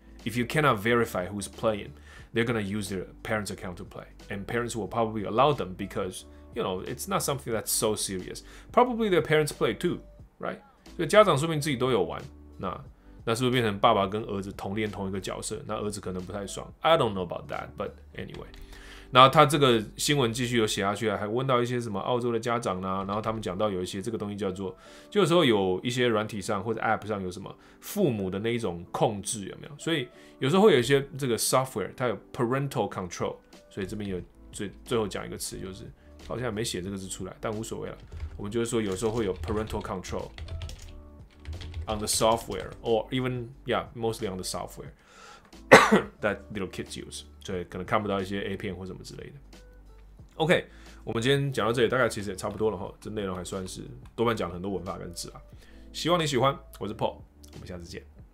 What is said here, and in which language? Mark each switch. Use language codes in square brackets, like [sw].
[en] If you cannot verify who's playing, they're gonna use their parents' account to play, and parents will probably allow them because you know it's not something that's so serious. Probably their parents play too, right? [zh] 所以家长说明自己都有玩，那是不是变成爸爸跟儿子同练同一个角色？那儿子可能不太爽。 I don't know about that, but anyway. 然后他这个新闻继续有写下去，还问到一些什么澳洲的家长啊，然后他们讲到有一些这个东西叫做，就有时候有一些软体上或者 App 上有什么父母的那一种控制有没有？所以有时候会有一些这个 software， 它有 parental control。所以这边有最后讲一个词，就是好像没写这个字出来，但无所谓了。我们就是说有时候会有 parental control。 [en] On the software, or even yeah, mostly on the software that little kids use. [zh] 所以可能看不到一些 A 片或什么之类的。OK， 我们今天讲到这里，大概其实也差不多了哈。这内容还算是多半讲了很多文法跟字啊。希望你喜欢，我是 Paul， 我们下次见。